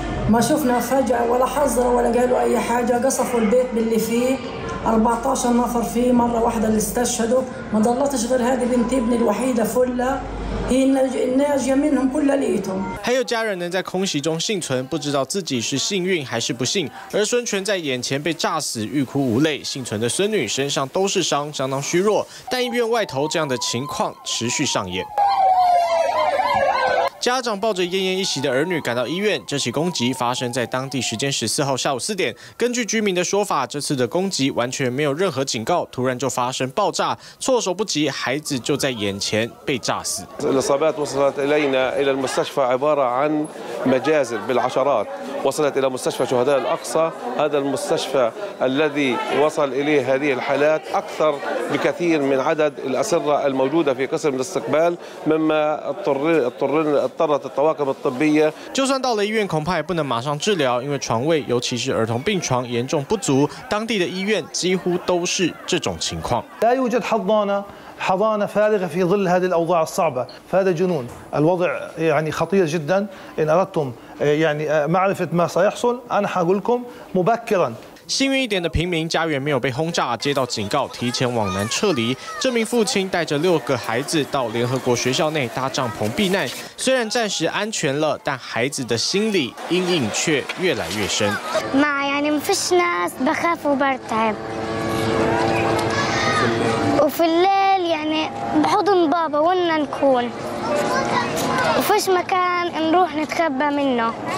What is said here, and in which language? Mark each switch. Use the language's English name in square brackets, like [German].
[Arabic] ما شفنا فجأة ولا حذر ولا قالوا أي حاجة قصفوا البيت باللي فيه 14 نفر فيه مرة واحدة اللي استشهدوا ما ضلتش غير هذه بنت ابني الوحيدة فلة هي الناجية منهم كل ليتهم [Chinese] 还有家人能在空袭中幸存，不知道自己是幸运还是不幸。儿孙全在眼前被炸死，欲哭无泪。幸存的孙女身上都是伤，相当虚弱。但医院外头这样的情况持续上演。家长抱着奄奄一息的儿女赶到医院。这起攻击发生在当地时间14号下午4点。根据居民的说法，这次的攻击完全没有任何警告，突然就发生爆炸，措手不及，孩子就在眼前被炸死。 [Arabic] الإصابات وصلت إلينا إلى المستشفى عبارة عن مجازر بالعشرات وصلت إلى مستشفى شهداء الأقصى هذا المستشفى الذي وصل إليه هذه الحالات أكثر بكثير من عدد الأسرة الموجودة في قسم الاستقبال مما اضطرنا اضطرت الطواقم الطبية. [Chinese] 就算到了医院，恐怕也不能马上治疗，因为床位，尤其是儿童病床，严重不足。当地的医院几乎都是这种情况。 [Arabic] لا يوجد حضانة فارغة في ظل هذه الأوضاع الصعبة. فهذا جنون. الوضع يعني خطير جدا. إن أردتم يعني معرفة ما سيحصل، أنا هقول لكم مبكرا. [Chinese] 幸运一点的平民家园没有被轰炸，接到警告提前往南撤离。这名父亲带着6个孩子到联合国学校内搭帐篷避难，虽然暂时安全了，但孩子的心理阴影却越来越深。妈呀，你们不是那不开服不开我 [Arabic] في الليل يعني بحضن بابا وين نكون وفيش مكان نروح نتخبى منه